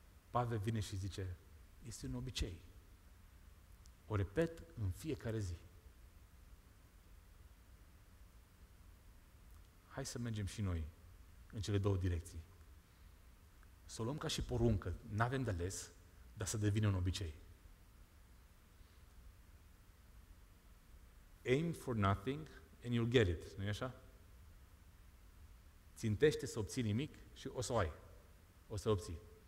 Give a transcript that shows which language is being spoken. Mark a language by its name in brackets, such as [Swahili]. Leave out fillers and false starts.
[Romanian] Pavel vine și zice, este un obicei. O repet în fiecare zi. Hai să mergem și noi în cele două direcții. Să o luăm ca și poruncă, n-avem de ales, dar să devină un obicei. [English] Aim for nothing and you'll get it, [Romanian] nu-i așa? Țintește să obții nimic și o să o ai. O să obții.